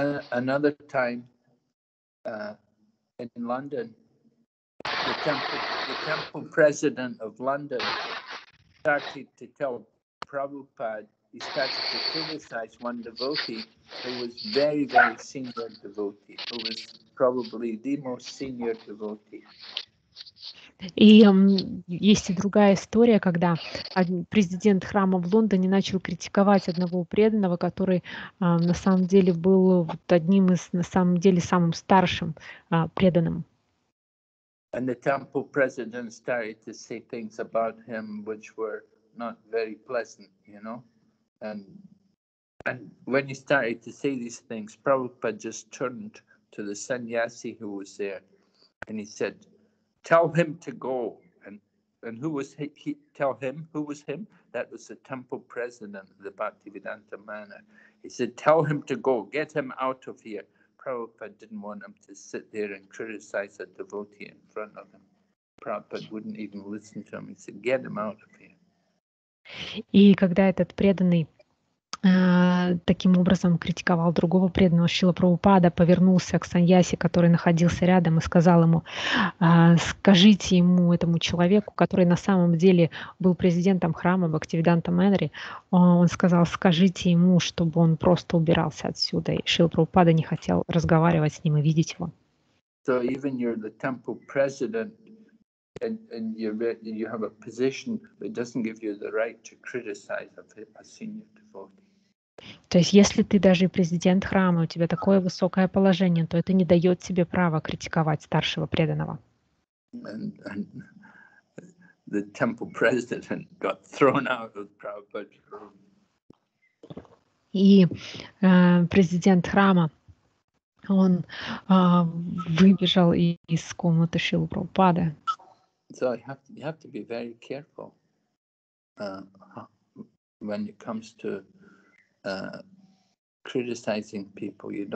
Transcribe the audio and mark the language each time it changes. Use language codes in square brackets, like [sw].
[en] Another time in London, the temple president of London started to tell Prabhupada, he started to criticize one devotee who was very, very senior devotee, who was probably the most senior devotee. [ru] И есть и другая история, когда президент храма в Лондоне начал критиковать одного преданного, который на самом деле был вот одним из, на самом деле, самым старшим преданным. [en] And the temple president started to say things about him which were not very pleasant, you know. And when he started to say these things, Prabhupada just turned to the sannyasi who was there and he said, tell him to go. And who was he? Tell him who was him? That was the temple president of the Bhaktivedanta Manor. He said, tell him to go, get him out of here. Prabhupada didn't want him to sit there and criticize a devotee in front of him. Prabhupada wouldn't even listen to him. He said, get him out of here. [ru] И когда этот преданный таким образом критиковал другого преданного, Шрила Прабхупада повернулся к саньяси, который находился рядом, и сказал ему, скажите ему, этому человеку, который на самом деле был президентом храма Бхактивиданта Мэнри, он сказал, скажите ему, чтобы он просто убирался отсюда. И Шрила Прабхупада не хотел разговаривать с ним и видеть его. [en] So even you're the temple president and you have a position that doesn't give you the right to criticize a senior devotee. [ru] То есть, если ты даже президент храма, у тебя такое высокое положение, то это не дает тебе права критиковать старшего преданного. [en] And the temple president got thrown out of Prabhupada's room. [ru] И президент храма, он выбежал из комнаты Шрилы Прабхупады. [en] So you have to be very careful when it comes to criticizing people.